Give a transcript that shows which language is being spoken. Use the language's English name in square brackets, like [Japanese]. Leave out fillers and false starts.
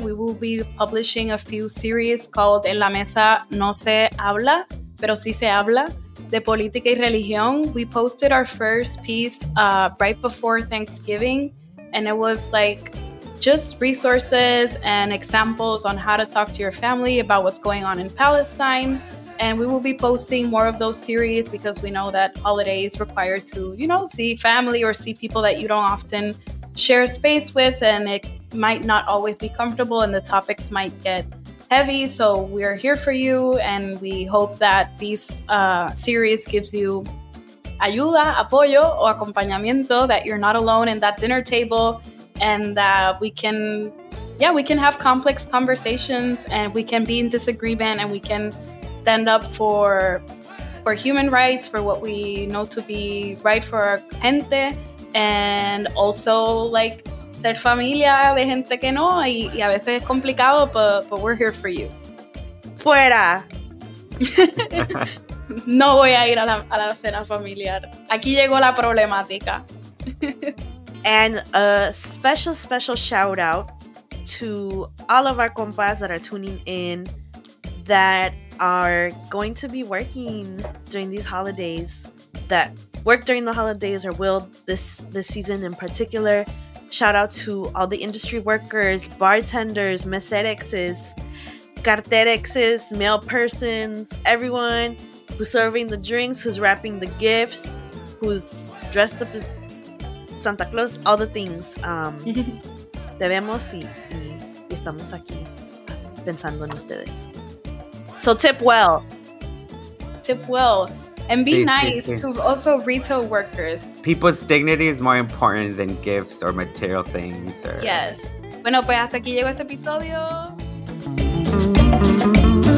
[English] We will be publishing a few series called En la Mesa No Se Habla, Pero Sí Se Habla, de Política y Religión. We posted our first piece right before Thanksgiving, and it was like just resources and examples on how to talk to your family about what's going on in Palestine. And we will be posting more of those series because we know that holidays require to, you know, see family or see people that you don't often share space with, and it might not always be comfortable and the topics might get heavy. So we are here for you, and we hope that this series gives you [Spanish] ayuda, apoyo, o acompañamiento, [English] that you're not alone in that dinner table. And that we can have complex conversations, and we can be in disagreement, and we can stand up for human rights, for what we know to be right for our gente, and also like [Spanish] ser familia de gente que no, y a veces es complicado, [English] but we're here for you. [Spanish] Fuera. No voy a ir a la cena familiar. Aquí llegó la problemática. [English] And a special, special shout out to all of our compas that are tuning in that are going to be working during these holidays, that work during the holidays or will this season in particular. Shout out to all the industry workers, bartenders, meserexes, carterexes, mail persons, everyone who's serving the drinks, who's wrapping the gifts, who's dressed up as Santa Claus, all the things. [Spanish] Te vemos y estamos aquí pensando en ustedes. [English] So tip well. Tip well. And be nice to also retail workers. People's dignity is more important than gifts or material things. [Spanish] Yes. Bueno, pues hasta aquí llegó este episodio.